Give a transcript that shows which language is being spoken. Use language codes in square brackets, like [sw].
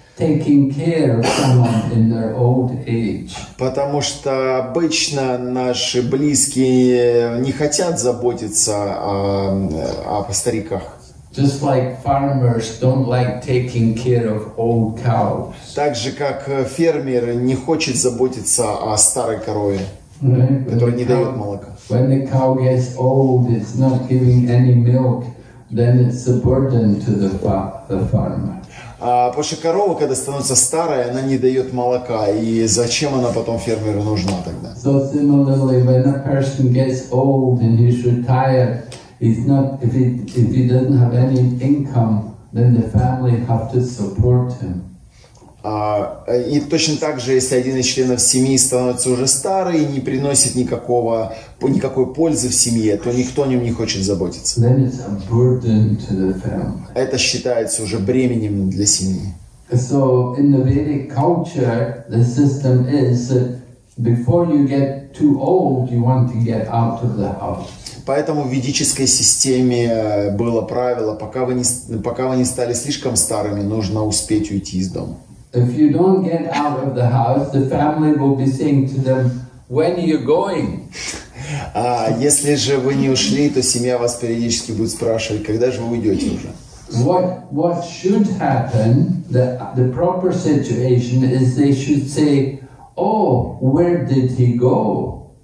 [en] taking care of someone in their old age. [ru] Потому что обычно наши близкие не хотят заботиться о стариках. [en] Just like farmers don't like taking care of old cows. [ru] Так же как фермер не хочет заботиться о старой корове, которая не дает молока. [en] When the cow gets old, it's not giving any milk. Then it's a burden to the farmer. [ru] Потому что корова, когда становится старой, она не дает молока. И зачем она потом фермеру нужна тогда? [en] So similarly, when a person gets old and he's retired, he's not, if he doesn't have any income, then the family have to support him. [ru] И точно так же, если один из членов семьи становится уже старый и не приносит никакой пользы в семье, то никто о нем не хочет заботиться. [en] Then it's a burden to the family. [ru] Это считается уже бременем для семьи. [en] So in the Vedic culture, the system is that before you get too old, you want to get out of the house. [ru] Поэтому в ведической системе было правило, пока вы не стали слишком старыми, нужно успеть уйти из дома. [en] If you don't get out of the house, the family will be saying to them, "When are you going?" [ru] Если же вы не ушли, то семья вас периодически будет спрашивать, когда же вы уйдете уже. [en] What should happen? The proper situation is they should say, "Oh, where did he go?"